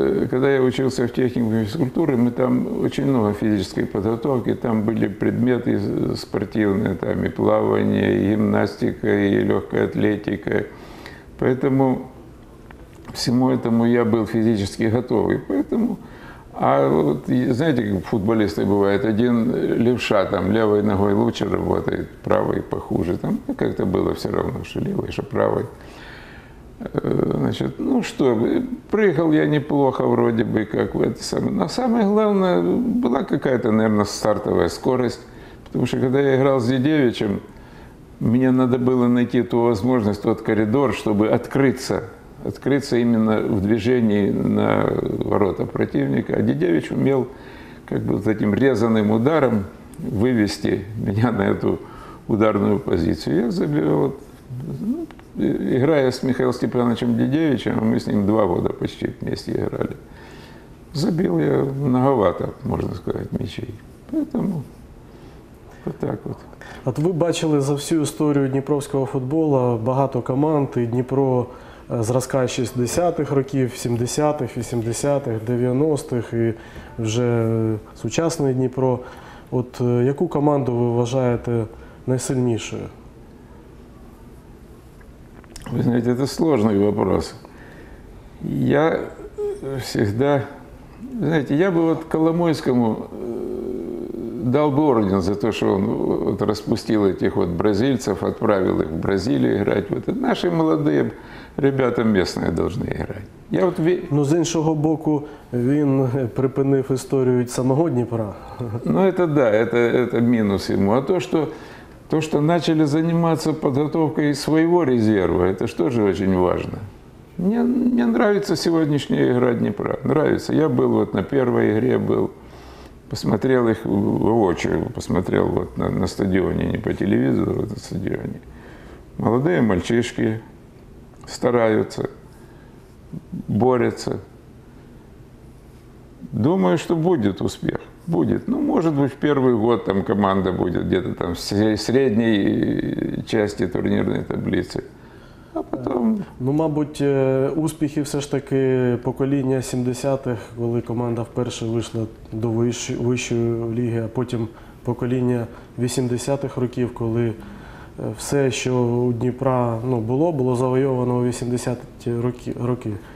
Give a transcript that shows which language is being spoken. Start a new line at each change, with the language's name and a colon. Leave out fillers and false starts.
Ukrainian: Коли я вчився в техніку фізкультури, ми там дуже багато фізичної підготовки, там були предмети спортивні, там і плавання, і гімнастика, і легка атлетика. Тому всьому цьому я був фізично готовий.
Russian: Поэтому... А вот, знаете, как футболисты бывают, один левша, там, левой ногой лучше работает, правой похуже. Там как-то было все равно, что левой, что правой. Значит, ну что, прыгал я неплохо вроде бы, как в это самое. Но самое главное, была какая-то, наверное, стартовая скорость. Потому что, когда я играл с Дидевичем, мне надо было найти ту возможность, тот коридор, чтобы открыться. Открыться именно в движении на ворота противника. А Дидевич умел как бы вот этим резаным ударом вывести меня на эту ударную позицию. Я забивал, вот, ну, играя с Михаилом Степановичем Дидевичем, мы с ним 2 года почти вместе играли. Забил я многовато, можно сказать, мячей. Поэтому вот так вот.
Ukrainian: От ви бачили за всю історію дніпровського футболу багато команд, і Дніпро зразка 60-х років, 70-х, 80-х, 90-х і вже сучасний Дніпро. От яку команду ви вважаєте найсильнішою? Ви знаєте, це складний вопрос. Я завжди, знаєте, я би от
Russian: Коломойському дал бы орден за то, что он вот распустил этих вот бразильцев, отправил их в Бразилию играть. Вот наши молодые ребята местные должны играть. Я вот... Но, с другого боку, он припинив историю самого Днепра. Ну, это да, это минус ему. А то, что начали заниматься подготовкой своего резерва, это же тоже очень важно. Мне нравится сегодняшняя игра Днепра. Нравится. Я был вот на первой игре, был. Посмотрел их воочию, посмотрел вот на стадионе, не по телевизору, на стадионе. Молодые мальчишки стараются, борются. Думаю, что будет успех. Будет. Ну, может быть, в первый год там команда будет где-то там в средней части турнирной таблицы. А потом...
Ukrainian: Ну, мабуть, успіхи все ж таки покоління 70-х, коли команда вперше вийшла до вищої ліги, а потім покоління 80-х років, коли все, що у Дніпра ну, було, було завойовано у 80-ті роки.